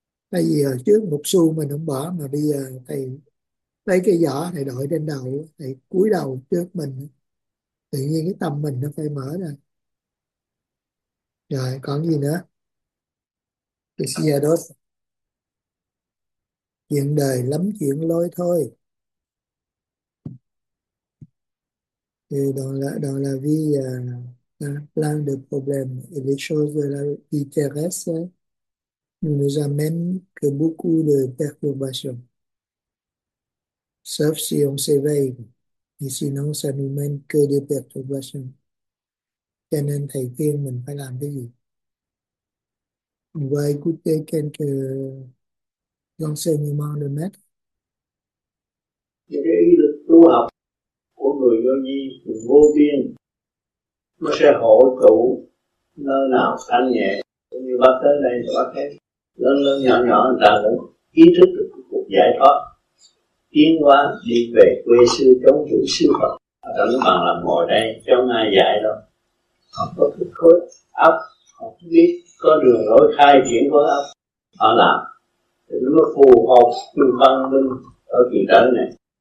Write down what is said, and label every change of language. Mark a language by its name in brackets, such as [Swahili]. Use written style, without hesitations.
[Vietnamese] Tại vì hồi trước một xu mình không bỏ, mà bây giờ thầy lấy cái giỏ thầy đội trên đầu, thầy cúi đầu trước mình, tự nhiên cái tâm mình nó phải mở ra. Rồi, còn gì nữa? Cái xe đó. Chuyện đời lắm chuyện lôi thôi. [French] Et dans la vie, il y a plein de problèmes. Et les choses de la vie terrestre ne nous amènent que beaucoup de perturbations. Sauf si on s'éveille. Et sinon, ça ne nous mène que des perturbations. [Vietnamese] Cho nên thầy khuyên mình phải làm cái gì? [French] On va écouter quelques enseignements de maître. [Vietnamese] Tu học của người vô vi vô biên nó sẽ hội tụ nơi nào thanh nhẹ cũng như bác tới đây bác thấy lớn lớn nhỏ nhỏ người ta cũng ý thức được cuộc giải thoát tiến hóa đi về quê xưa chốn chủ siêu phật và tận bằng là ngồi đây cho ai dạy đâu họ có cái khối óc họ biết có đường lối khai triển khối óc họ làm thì nó phù hợp với văn minh ở kỳ đời này.